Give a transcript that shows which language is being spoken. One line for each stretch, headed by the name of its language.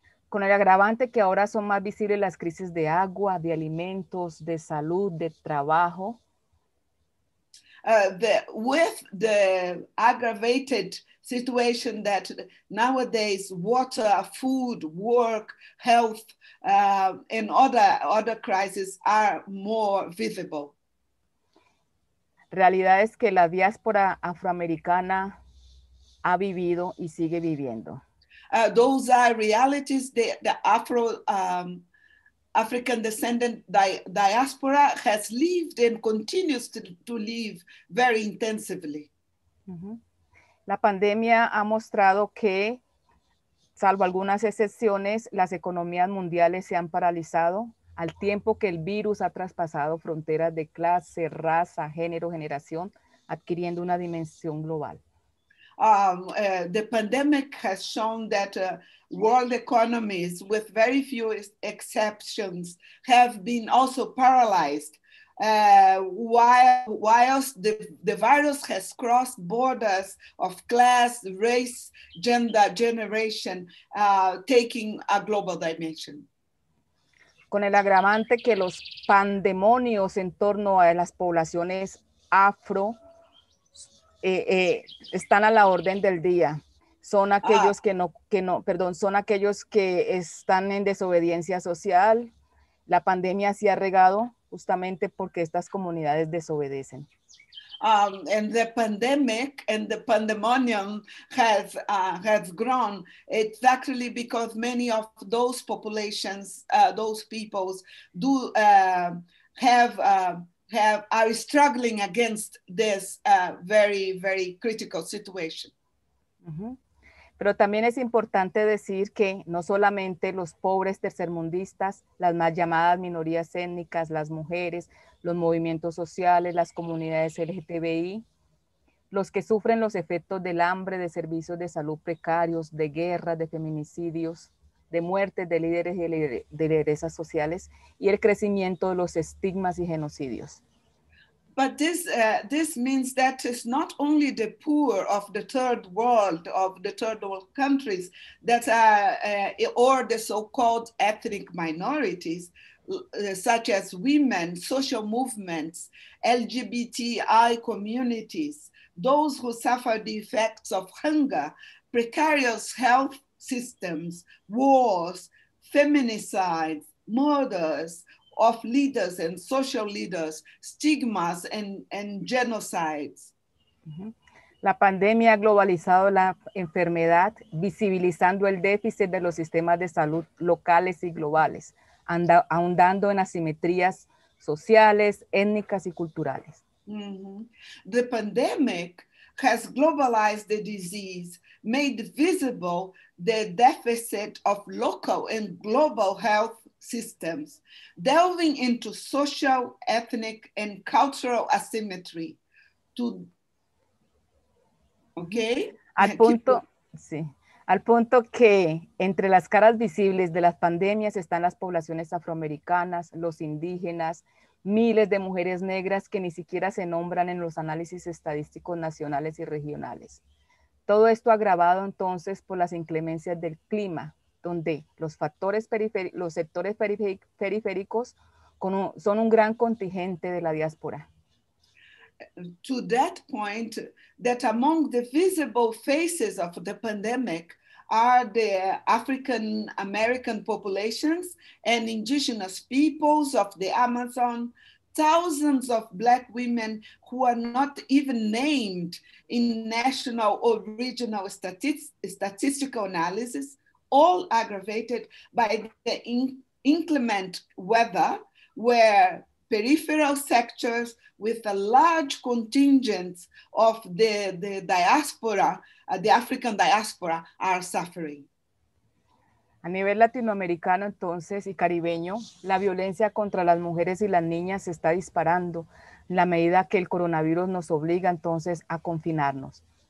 Spanish: Con el agravante que ahora son más visibles las crisis de agua, de alimentos, de salud, de trabajo.
English: With the aggravated situation that nowadays water, food, work, health, and other crises are more visible.
Spanish: Realidad es que la diáspora afroamericana ha vivido y sigue viviendo.
English: Those are realities that the African descendant diaspora has lived and continues to live very intensively. Mm-hmm.
Spanish: La pandemia ha mostrado que, salvo algunas excepciones, las economías mundiales se han paralizado al tiempo que el virus ha traspasado fronteras de clase, raza, género, generación, adquiriendo una dimensión global.
English: The pandemic has shown that world economies, with very few exceptions, have been also paralyzed. Whilst the virus has crossed borders of class, race, gender, generation, taking a global dimension.
Spanish: Con el agravante que los pandemonios en torno a las poblaciones afro están a la orden del día. Son aquellos son aquellos que están en desobediencia social. La pandemia se ha regado justamente porque estas comunidades desobedecen.
English: And the pandemic and the pandemonium has grown. It's actually because many of those populations, those peoples, do have are struggling against this very, very critical situation. Mm-hmm.
Spanish: Pero también es importante decir que no solamente los pobres tercermundistas, las más llamadas minorías étnicas, las mujeres, los movimientos sociales, las comunidades LGTBI, los que sufren los efectos del hambre, de servicios de salud precarios, de guerras, de feminicidios, de muertes de líderes y de lideresas sociales, y el crecimiento de los estigmas y genocidios.
English: But this this means that it's not only the poor of the third world, of the third world countries, that are or the so-called ethnic minorities, such as women, social movements, LGBTI communities, those who suffer the effects of hunger, precarious health systems, wars, feminicides, murders of leaders and social leaders, stigmas and genocides.
Spanish: La pandemia ha globalizado la enfermedad, visibilizando el déficit de los sistemas de salud locales y globales, ahondando en asimetrías sociales, étnicas y culturales. Mm-hmm.
English: The pandemic has globalized the disease, made visible the deficit of local and global health systems, delving into social, ethnic, and cultural asymmetry. Okay?
Spanish: Al punto, sí. Al punto que entre las caras visibles de las pandemias están las poblaciones afroamericanas, los indígenas, miles de mujeres negras que ni siquiera se nombran en los análisis estadísticos nacionales y regionales. Todo esto agravado entonces por las inclemencias del clima, donde los factores los sectores periféricos son un gran contingente de la diáspora.
English: To that point, that among the visible faces of the pandemic are the African American populations and indigenous peoples of the Amazon, thousands of Black women who are not even named in national or regional statistical analysis, all aggravated by the inclement weather, where peripheral sectors with a large contingent of the diaspora, the African diaspora, are suffering.
Spanish: A nivel latinoamericano, entonces, y caribeño, la violencia contra las mujeres y las niñas se está disparando en la medida que el coronavirus nos obliga, entonces, a confinarnos.